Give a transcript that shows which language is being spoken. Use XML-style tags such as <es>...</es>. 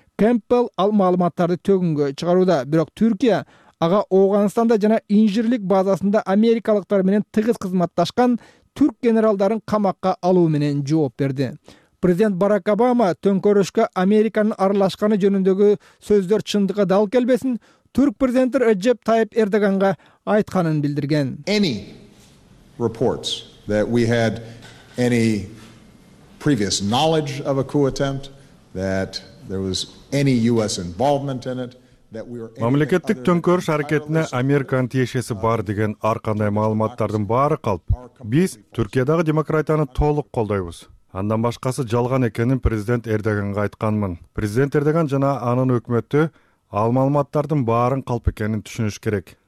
<ky>Кэмпбелл ал маалыматтарды төгүнгө чыгарууда, бирок Түркия ага Ооганстанда жана инжирлик базасында америкалыктар менен тыгыз кызматташкан түрк генералдарын камакка алуу менен жооп берди. Президент Барак Обама төңкөрүшкө Американын аралашканы жөнүндөгү сөздөр чындыкка дал келбесин түрк президенти Реджеп Тайып Эрдоганга айтканын билдирген.</ky> <en>Any reports that we had any previous knowledge of a coup attempt, that there was any US involvement in it,</en> <ky>мамлекеттик төңкөрүш аракетине Американын тиешеси бар деген ар кандай маалыматтардын баары калп. Биз Түркиядагы демократияны толук колдойбуз. Андан башкасы жалган экенин президент Эрдоганга айтканмын. Президент Эрдоган жана анын өкмөтү ал маалыматтардын баарын калп экенин түшүнүш керек.</ky>